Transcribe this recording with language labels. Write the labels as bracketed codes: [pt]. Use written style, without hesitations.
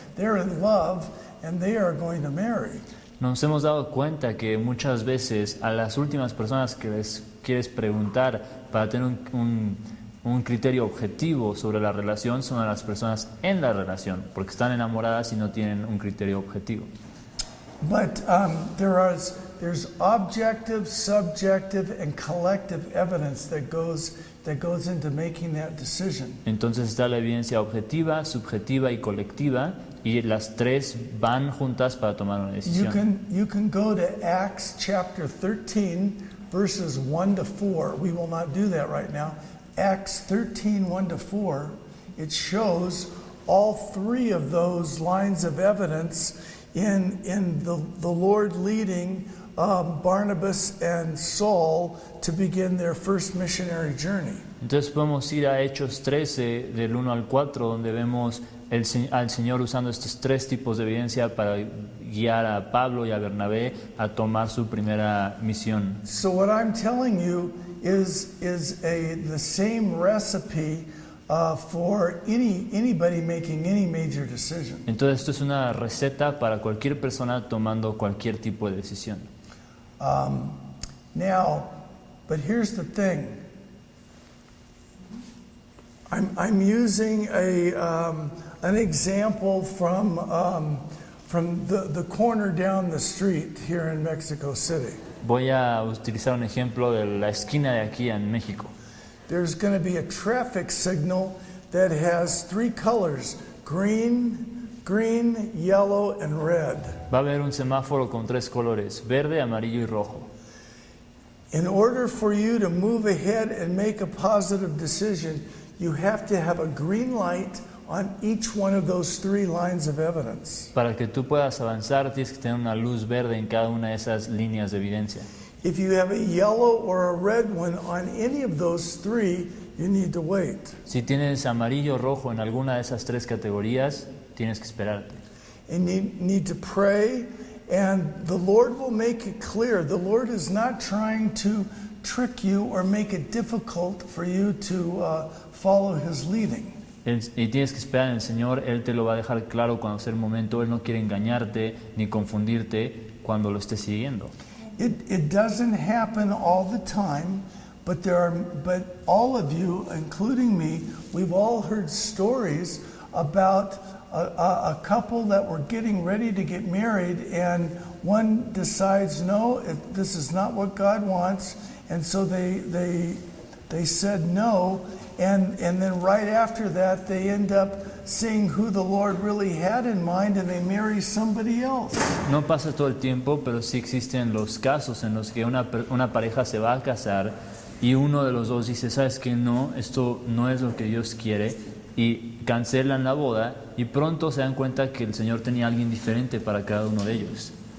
[en] They're in love and they are going to marry. [es] Nos hemos dado cuenta que muchas veces a las últimas personas que les quieres preguntar para tener un criterio objetivo sobre la relación son a las personas en la relación, porque están enamoradas y no tienen un criterio objetivo. [en] But there's objective, subjective, and collective evidence that goes into making that decision. [es] Entonces está la evidencia objetiva, subjetiva y colectiva, y las tres van juntas para tomar una decisión. [en] You can go to Acts chapter 13, verses 1 to 4. We will not do that right now. Acts 13, 1 to 4, it shows all three of those lines of evidence in the Lord leading Barnabas and Saul to begin their first missionary journey. [es] Entonces podemos ir a Hechos 13, del 1 al 4, donde vemos al Señor usando estos tres tipos de evidencia para guiar a Pablo y a Bernabé a tomar su primera misión. [en] So what I'm telling you is the same recipe for anybody making any major decision. [es] Entonces esto es una receta para cualquier persona tomando cualquier tipo de decisión. [en] Now, but here's the thing. I'm using an example from the corner down the street here in Mexico City. [es] Voy a utilizar un ejemplo de la esquina de aquí en México. [en] There's going to be a traffic signal that has three colors: green, yellow, and red. [es] Va a haber un semáforo con tres colores: verde, amarillo y rojo. [en] In order for you to move ahead and make a positive decision, you have to have a green light on each one of those three lines of evidence. [es] Para que tú puedas avanzar, tienes que tener una luz verde en cada una de esas líneas de evidencia. [en] If you have a yellow or a red one on any of those three, you need to wait. [es] Si tienes amarillo o rojo en alguna de esas tres categorías, tienes que esperarte. [en] And you need to pray, and the Lord will make it clear. The Lord is not trying to trick you or make it difficult for you to follow his leading. [es] Y tienes que esperar en el Señor. Él te lo va a dejar claro cuando sea el momento. Él no quiere engañarte ni confundirte cuando lo estés siguiendo. [en] It doesn't happen all the time, but all of you, including me, we've all heard stories about a couple that were getting ready to get married, and one decides, no, this is not what God wants, and so they said no, and then right after that they end up seeing who the Lord really had in mind, and they marry somebody else. [es] No pasa todo el tiempo, pero sí existen los casos en los que una pareja se va a casar y uno de los dos dice, sabes que no, esto no es lo que Dios quiere, y cancelan la boda, y pronto se dan cuenta que el Señor tenía alguien diferente para cada uno de ellos.